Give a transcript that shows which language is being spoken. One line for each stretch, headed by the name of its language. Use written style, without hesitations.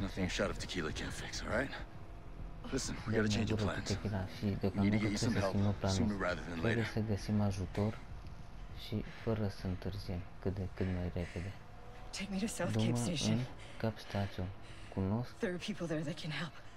English: There's nothing a shot of tequila can't fix, all right? Listen, we gotta change your plans. We need to get you some help sooner rather than later.
Romanian: Trebuie să găsim ajutor și fără să întârziem, cât de cât mai repede.
English: Take me to South Cape Station.
Romanian: Cap Station. Cunosc.
English: There are people there that can help.